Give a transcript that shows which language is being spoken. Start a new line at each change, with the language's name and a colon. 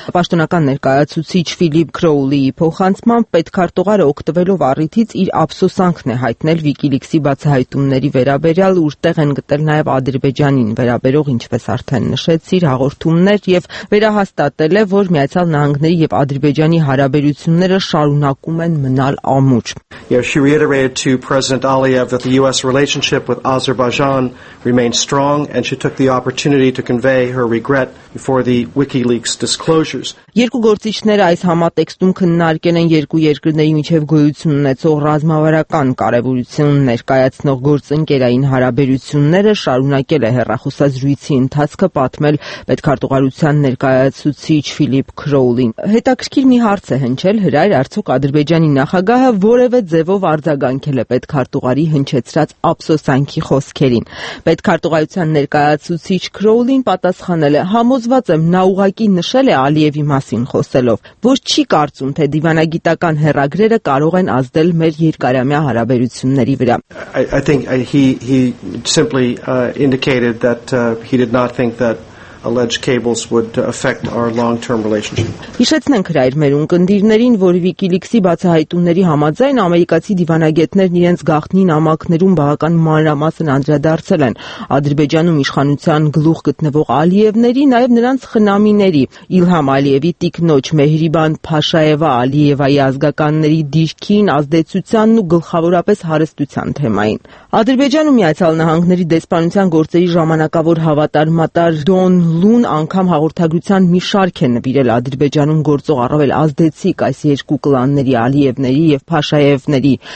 Armenian: պաշտոնական ներկայացուցիչ Ֆիլիպ Քրոուլիի փոխանցմամբ պետքար տուղարը օգտվելով առիթից իր ափսոսանքն է հայտնել Վիկիլիքսի բացահայտումների վերաբերյալ, վերյալ ուրտեղ են գտել նաև Ադրբեջանին վերաբերող, ինչպես արդեն նշեցի, հաղորդումներ և վերահաստատել է, որ Միացյալ Նահանգների և Ադրբեջանի հարաբերությունները շարունակում են մնալ ամուր։
English: Yeah, she reiterated to President Aliyev that the U.S. relationship with Azerbaijan remains strong and she took the opportunity to convey her regret before the WikiLeaks disclosures.
Armenian: Երկու գործիչները այս համատեքստում քննարկել են երկու երկրների միջև գոյություն ունեցող ռազմավարական կարևորություն ներկայացնող գործընկերային հարաբերությունները շարունակել է հեռախոսազրույցի ընթացքը պատմել պետքարտուղարության ներկայացուցիչ Ֆիլիպ Քրոուլին։ Հետաքրքիր մի հարց է հնչել հրայր, արդյոք Ադրբեջանի նախագահը որևէ ձևով արձագանքել է պետքարտուղարի հնչեցրած ափսոսանքի խոսքերին։ Պետքարտուղարության ներկայացուցիչ Քրոուլին պատասխանել է. «Համոզված եմ, նա ուղղակի նշել է Ալիևի մասին խոսելով, որ չի կարծում, թե դիվանագիտական հերագրերը կարող են ազդել մեր երկարամյա հարաբերությունների վրա»։
English: I think he simply indicated that he did not think that alleged cables would affect our long-term relationship.
Armenian: Իշեցնենք հրայր մեր ունկնդիրներին, որ WikiLeaks-ի բացահայտումների համաձայն ամերիկացի դիվանագետներն իրենց գաղտնի նամակներում բավական մանրամասն անդրադարձել են Ադրբեջանում իշխանության գլուխ գտնվող Ալիևների, նաև նրանց խնամիների՝ Իլհամ Ալիևի տիկնոջ Մեհրիբան Փաշաևա Ալիևայի ազգականների դիրքին, ազդեցությանն ու գլխավորապես հարստության թեմային։ Ադրբեջանում Միացյալ Նահանգների դեսպանության գործերի ժամանակավոր հավատարմատար Դոն Լուն անգամ հաղորդագրության մի շարք է նվիրել Ադրբեջանում գործող առավել ազդեցիկ այս երկու կլանների Ալիևների եւ Փաշաևների